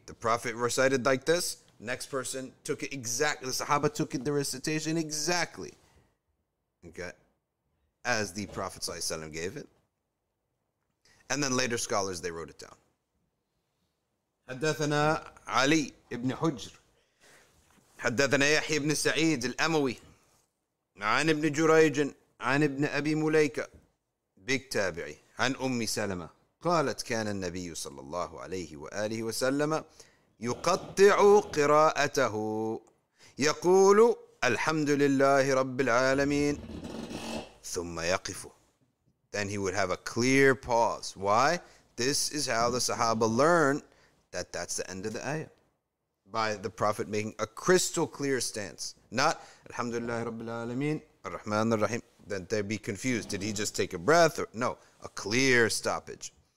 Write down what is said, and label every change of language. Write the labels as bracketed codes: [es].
[en] The Prophet recited like this. Next person took it exactly. The Sahaba took the recitation exactly. Okay. As the Prophet ﷺ gave it. And then later scholars, they wrote it down. [ar] حدثنا علي ابن حجر حدثنا يحيى ابن سعيد الأموي عن ابن جريج عن ابن أبي مليكة بك تابعي عن أم سلمة قالت كان النبي صلى الله عليه وآله وسلم يقطع قراءته يقول الحمد لله رب العالمين ثم يقف. [en] Then he would have a clear pause. Why? This is how the Sahaba learned that that's the end of the ayah. By the Prophet making a crystal clear stance. Not, [ar] Alhamdulillah Rabbil Alameen, Ar-Rahman Ar-Rahim. [en] Then they'd be confused. Did he just take a breath? Or, no, a clear stoppage.